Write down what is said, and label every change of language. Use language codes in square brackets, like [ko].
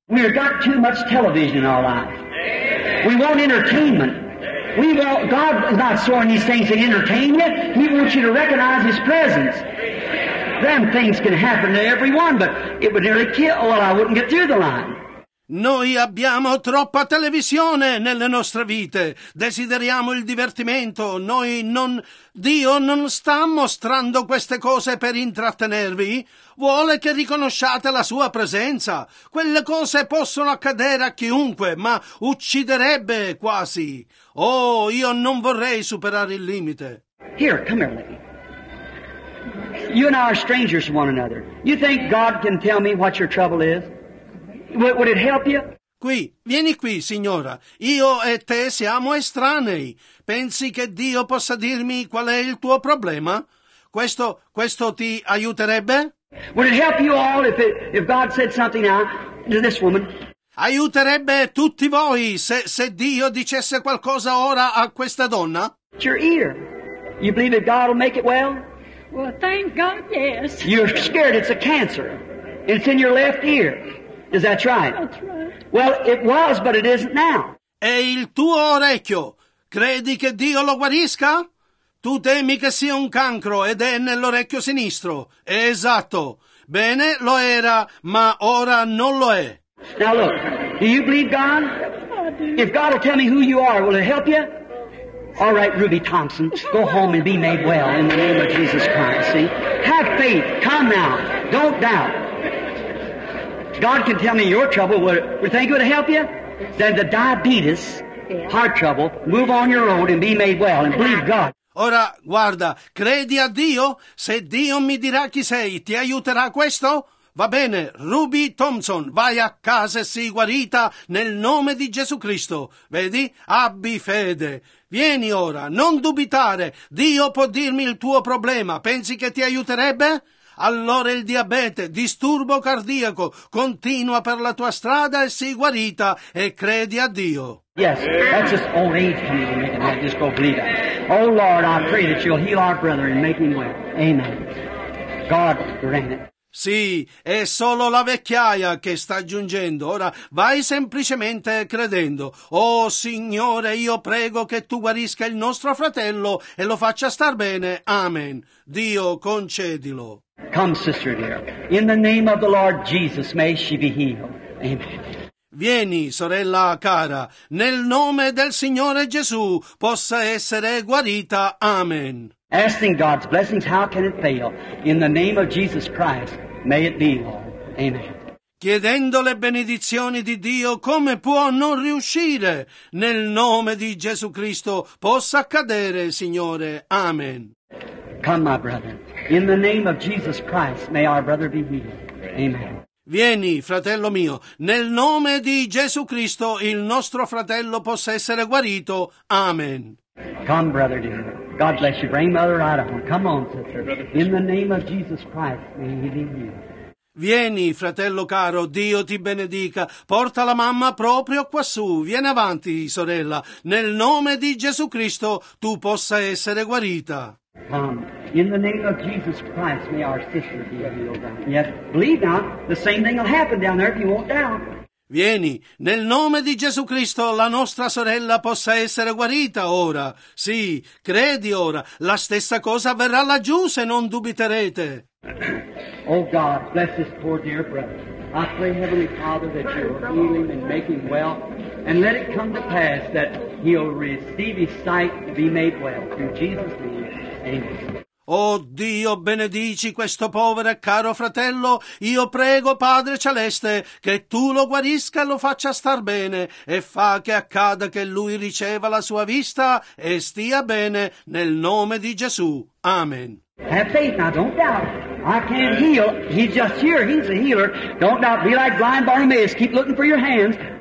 [en] We have got too much television in our lives. We want entertainment. We want, God is not sworn these things to entertain you. He wants you to recognize His presence. Them things can happen to everyone, but it would nearly kill, well, I wouldn't get through the line. [it] Noi abbiamo troppa televisione nelle nostre vite, desideriamo il divertimento, Dio non sta mostrando queste cose per intrattenervi, vuole che riconosciate la sua presenza, quelle cose possono accadere a chiunque, ma ucciderebbe quasi, oh, io non vorrei superare il limite. [en] Here, come here, lady. You and I are strangers to one another. You think God can tell me what your trouble is? Would it help you? [it] Qui, vieni qui, signora. Io e te siamo estranei. Pensi che Dio possa dirmi qual è il tuo problema? Questo ti aiuterebbe? [en] Would it help you all if God said something now to this woman? [it] Aiuterebbe tutti voi se Dio dicesse qualcosa ora a questa donna? [en] It's your ear. You believe that God will make it well? Well, thank God, yes. You're scared. It's a cancer. It's in your left ear. Is that right? That's right. Well, it was, but it isn't now. [it] È il tuo orecchio. Credi che Dio lo guarisca? Tu temi che sia un cancro ed è nell'orecchio sinistro. È esatto. Bene, lo era, ma ora non lo è. [en] Now look, do you believe God? If God will tell me who you are, will it help you? All right, Ruby Thompson, go home and be made well in the name of Jesus Christ, see? Have faith. Come now. Don't doubt. God can tell me your trouble. Would you think it would help you? Then the diabetes, heart trouble, move on your own and be made well and believe God. [it] Ora, guarda, credi a Dio? Se Dio mi dirà chi sei, ti aiuterà questo? Va bene, Ruby Thompson, vai a casa e sii guarita nel nome di Gesù Cristo. Vedi? Abbi fede. Vieni ora, non dubitare. Dio può dirmi il tuo problema. Pensi che ti aiuterebbe? Allora il diabete, disturbo cardiaco, continua per la tua strada e sii guarita e credi a Dio. [en] Yes, that's his own age coming to make him well. Just go believe that. Oh Lord, I pray that you'll heal our brother and make him well. Amen. God grant it. [it] Sì, è solo la vecchiaia che sta giungendo. Ora vai semplicemente credendo. Oh Signore, io prego che tu guarisca il nostro fratello e lo faccia star bene. Amen. Dio, concedilo. [en] Come, sister dear. In the name of the Lord Jesus, may she be healed. Amen. [it] Vieni, sorella cara, nel nome del Signore Gesù possa essere guarita. Amen. [en] Asking God's blessings, how can it fail? In the name of Jesus Christ, may it be, Lord. Amen. [it] Chiedendo le benedizioni di Dio, come può non riuscire? Nel nome di Gesù Cristo possa accadere, Signore. Amen. [en] Come, my brother. In the name of Jesus Christ, may our brother be healed. Amen. [it] Vieni, fratello mio, nel nome di Gesù Cristo il nostro fratello possa essere guarito. Amen. [en] Come, brother dear. God bless you. Bring mother right on. Come on, sister. In the name of Jesus Christ, may he be healed. [it] Vieni, fratello caro, Dio ti benedica. Porta la mamma proprio quassù. Vieni avanti, sorella. Nel nome di Gesù Cristo tu possa essere guarita. [en] Come. In the name of Jesus Christ, may our sister be healed. Yet, believe not, the same thing will happen down there if you won't doubt. [it] Vieni, nel nome di Gesù Cristo la nostra sorella possa essere guarita ora. Sì, credi ora, la stessa cosa avverrà laggiù se non dubiterete. [en] Oh God, bless this poor dear brother. I pray, Heavenly Father, that you'll heal him and make him well. And let it come to pass that he'll receive his sight to be made well. Through Jesus' name, amen. [it] Oh Dio, benedici questo povero e caro fratello. Io prego, Padre Celeste, che tu lo guarisca e lo faccia star bene e fa che accada che lui riceva la sua vista e stia bene nel nome di Gesù. Amen. [en] Have faith now, don't doubt. I can heal. He's just here. He's a healer. Don't doubt. Be like blind Bartimaeus. Keep looking for your hands.